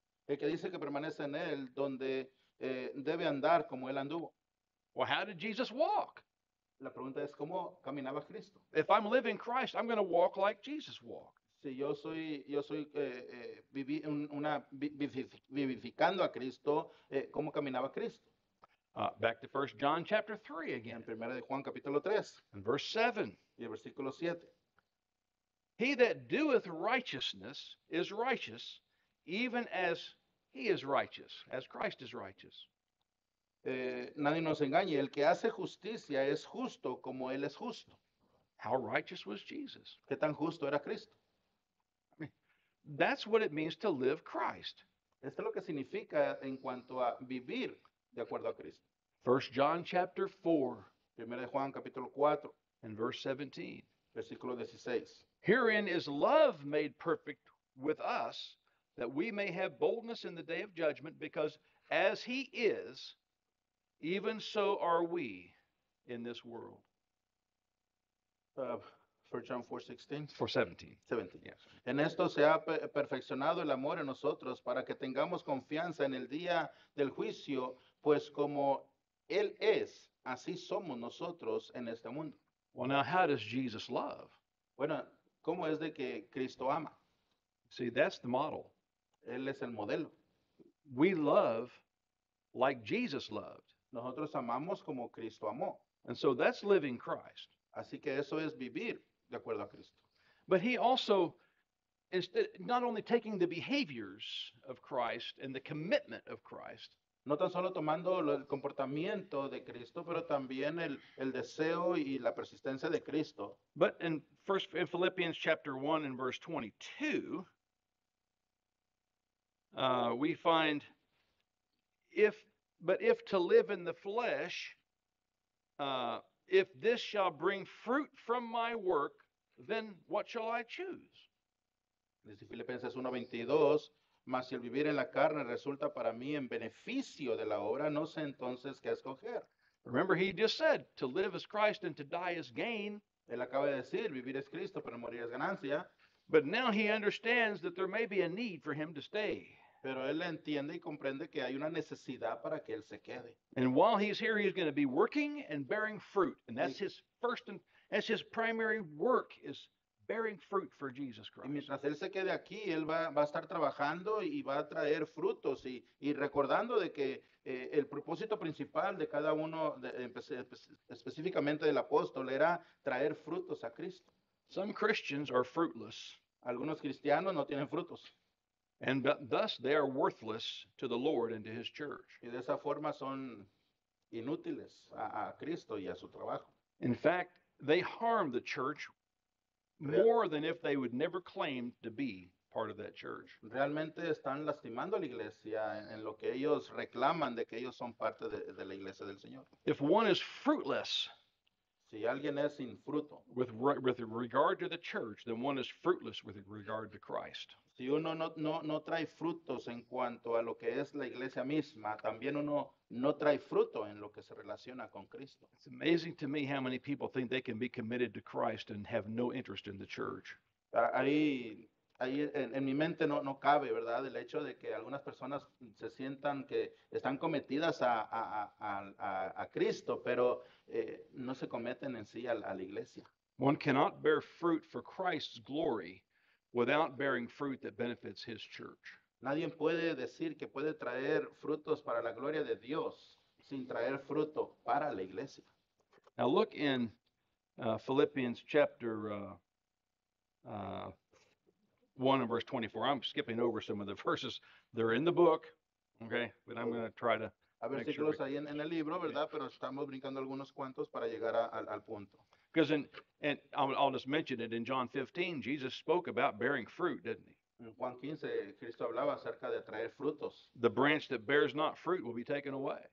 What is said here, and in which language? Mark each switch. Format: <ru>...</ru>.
<es>El que dice que permanece en él, donde debe andar como él anduvo.</es> <en>Well, how did Jesus walk?</en> <es>La pregunta es, ¿cómo caminaba Cristo?</es> <en>If I'm living Christ, I'm going to walk like Jesus walked.</en> <es>Si yo soy vivificando a Cristo, ¿cómo caminaba Cristo?</es> <en>Back to 1 John chapter 3 again.</en> <es>Primera de Juan capítulo 3.</es> <en>And verse 7.</en> <es>Y el versículo 7.</es> <en>He that doeth righteousness is righteous, even as he is righteous, as Christ is righteous.</en> <es>Nadie nos engañe. El que hace justicia es justo como él es justo.</es> <en>How righteous was Jesus?</en> <es>¿Qué tan justo era Cristo?</es> <en>I mean, that's what it means to live Christ.</en> <es>Esto es lo que significa en cuanto a vivir de acuerdo a Cristo.</es> <en>1 John chapter 4,</en> <es>Primera de Juan capítulo 4,</es> <en>and verse 17.</en> <es>Versículo 16.</es> <en>Herein is love made perfect with us, that we may have boldness in the day of judgment, because as he is, even so are we in this world. 1 John 4:16. 4:17. 17.</en> <es>Yes. En esto se ha perfeccionado el amor en nosotros para que tengamos confianza en el día del juicio, pues como él es, así somos nosotros en este mundo.</es> <en>Well, now how does Jesus love?</en> <es>Bueno, ¿cómo es de que Cristo ama?</es> <en>See, that's the model.</en> <es>Él es el modelo.</es> <en>We love like Jesus loved.</en> <es>Nosotros amamos como Cristo amó.</es> <en>And so that's living Christ.</en> <es>Así que eso es vivir de acuerdo a Cristo.</es> <en>But he also, instead, not only taking the behaviors of Christ and the commitment of Christ.</en> <es>No tan solo tomando el comportamiento de Cristo, pero también el deseo y la persistencia de Cristo.</es> <en>But in first in Philippians chapter 1 and verse 22, we find, if to live in the flesh, if this shall bring fruit from my work, then what shall I choose?</en> <es>Dice Filipenses 1:22, mas si el vivir en la carne resulta para mí en beneficio de la obra, no sé entonces qué escoger.</es> <en>Remember, he just said, to live is Christ and to die is gain.</en> <es>Él acaba de decir, vivir es Cristo, pero morir es ganancia.</es> <en>But now he understands that there may be a need for him to stay.</en> <es>Pero él entiende y comprende que hay una necesidad para que él se quede.</es> <en>And while he's here, he's going to be working and bearing fruit. And that's his first and that's his primary work is bearing fruit for Jesus Christ.</en> <es>Y mientras él se quede aquí, él va a estar trabajando y va a traer frutos y recordando de que el propósito principal de cada uno, específicamente del apóstol, era traer frutos a Cristo.</es> <en>Some Christians are fruitless.</en> <es>Algunos cristianos no tienen frutos.</es> <en>And thus they are worthless to the Lord and to his church.</en> <es>Y de esa forma son inútiles a Cristo y a su trabajo.</es> <en>In fact, they harm the church more than if they would never claim to be part of that church.</en> <es>Realmente están lastimando a la iglesia en lo que ellos reclaman de que ellos son parte de la iglesia del Señor.</es> <en>If one is fruitless,</en> <es>si alguien es sin fruto,</es> <en>with regard to the church, then one is fruitless with regard to Christ.</en> <es>Si uno no trae frutos en cuanto a lo que es la iglesia misma, también uno no trae fruto en lo que se relaciona con Cristo.</es> <en>It's amazing to me how many people think they can be committed to Christ and have no interest in the church.</en> <es>Ahí en mi mente no cabe, ¿verdad? El hecho de que algunas personas se sientan que están cometidas a Cristo, pero no se cometen en sí a la iglesia.</es> <en>One cannot bear fruit for Christ's glory without bearing fruit that benefits his church.</en> <es>Nadie puede decir que puede traer frutos para la gloria de Dios sin traer fruto para la iglesia.</es> <en>Now look in Philippians chapter 1 and verse 24. I'm skipping over some of the verses. They're in the book, okay? But I'm going to try to</en> <es>a versículos sure ahí en el libro, ¿verdad? Yeah. Pero estamos brincando algunos cuantos para llegar al punto.</es> <en>Because I'll just mention it, in John 15, Jesus spoke about bearing fruit, didn't he?</en> <es>En Juan 15, Cristo hablaba acerca de traer frutos.</es> <en>The branch that bears not fruit will be taken away.</en>